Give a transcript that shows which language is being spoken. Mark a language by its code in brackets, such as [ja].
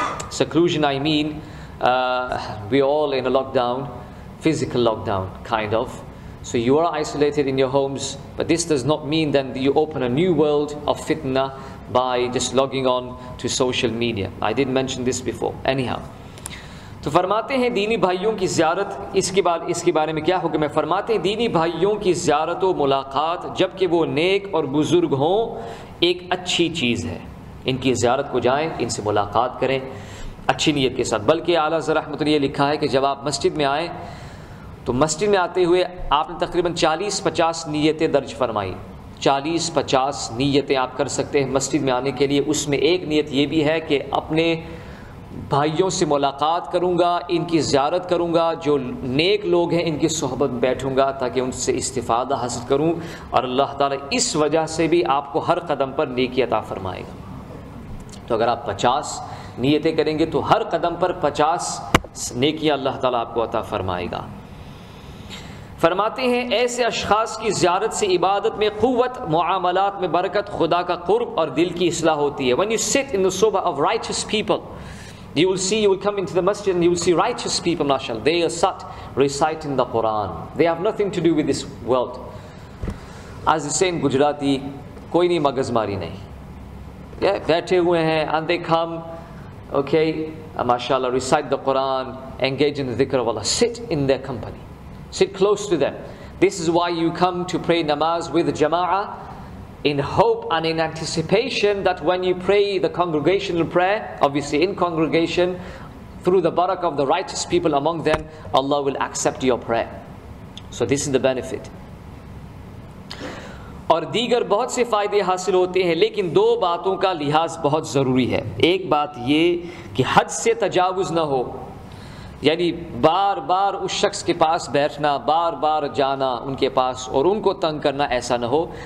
[en] Seclusion, I mean, we're all in a lockdown, physical lockdown, kind of. So you are isolated in your homes, but this does not mean then you open a new world of fitna by just logging on to social media. I didn't mention this before. Anyhow. [ur] تو فرماتے ہیں دینی بھائیوں کی زیارت, اس کے بارے میں کیا حکم ہے؟ فرماتے ہیں دینی بھائیوں کی زیارت و ملاقات جب کہ وہ نیک اور بزرگ ہوں ایک اچھی چیز ہے. ان کی زیارت کو جائیں, ان سے ملاقات کریں اچھی نیت کے ساتھ. بلکہ اعلیٰ حضرت رحمۃ اللہ لکھا ہے کہ جب آپ مسجد میں آئیں تو مسجد میں آتے ہوئے آپ نے تقریباً 40-50 نیتیں درج فرمائی. 40-50 نیتیں آپ کر سکتے ہیں مسجد میں آنے کے لیے. اس میں ایک نیت یہ بھی ہے کہ اپنے بھائیوں سے ملاقات کروں گا, ان کی زیارت کروں گا, جو نیک لوگ ہیں ان کی صحبت میں بیٹھوں گا تاکہ ان سے استفادہ حاصل کروں, اور اللہ تعالیٰ اس وجہ سے بھی آپ کو ہر قدم پر نیکی عطا فرمائے گا. تو اگر آپ 50 نیتیں کریں گے تو ہر قدم پر 50 نیکیاں اللہ تعالیٰ آپ کو عطا فرمائے گا. فرماتے ہیں ایسے اشخاص کی زیارت سے عبادت میں قوت, معاملات میں برکت, خدا کا قرب اور دل کی اصلاح ہوتی ہے. [en] When you sit in the sohbah of righteous people, you will see, you will come into the masjid and you will see righteous people, mashallah, they are sat reciting the Quran. They have nothing to do with this world. As they say in Gujarati, [gu] کوئی نہیں مگز ماری نہیں. [en] Yeah, [ur] بیٹھے ہوئے ہیں, [en] and they come, okay, mashallah, recite the Quran, engage in the dhikr of Allah, sit in their company, sit close to them. This is why you come to pray namaz with jama'ah, in hope and in anticipation that when you pray the congregational prayer, obviously in congregation, through the barakah of the righteous people among them, Allah will accept your prayer. So this is the benefit. [ur] اور دیگر بہت سے فائدے حاصل ہوتے ہیں, لیکن دو باتوں کا لحاظ بہت ضروری ہے. ایک بات یہ کہ حد سے تجاوز نہ ہو, یعنی بار بار اس شخص کے پاس بیٹھنا, بار بار جانا ان کے پاس اور ان کو تنگ کرنا ایسا نہ ہو.